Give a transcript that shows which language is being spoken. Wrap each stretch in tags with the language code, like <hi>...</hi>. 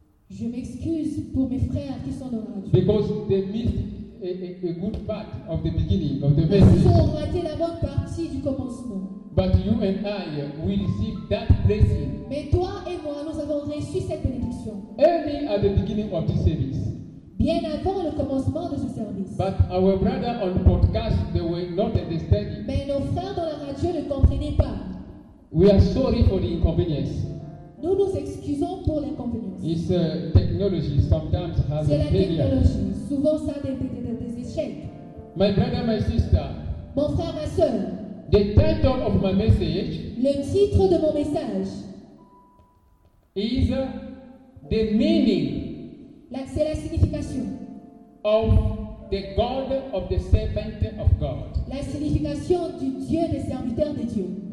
<fr>Je m'excuse pour mes frères qui sont dans la radio.</fr> <en>Because they missed a good part of the beginning of the message.</en> <fr>Ils ont raté la bonne partie du commencement.</fr> <en>But you and I will receive that blessing.</en> <fr>Mais toi et moi, nous avons reçu cette bénédiction.</fr> <en>Early at the beginning of this service.</en> <fr>Bien avant le commencement de ce service.</fr> <en>But our brother on the podcast, they were not understanding.</en> <fr>Mais nos frères dans la radio ne comprenaient pas.</fr> <en>We are sorry for the inconvenience.</en> <fr>Nous nous excusons pour l'inconvénience.</fr> <en>It's technology sometimes has failure.</en> <fr>C'est la technologie. Souvent ça a des échecs.</fr> <en>My brother, my sister.</en> <fr>Mon frère, ma sœur.</fr> <en>The title of my message.</en> <fr>Le titre de mon message.</fr> <en>Is the meaning.</en> <fr>C'est la signification.</fr> <en>Of the God of the servant of God.</en> <fr>La signification du Dieu des serviteurs de Dieu.</fr>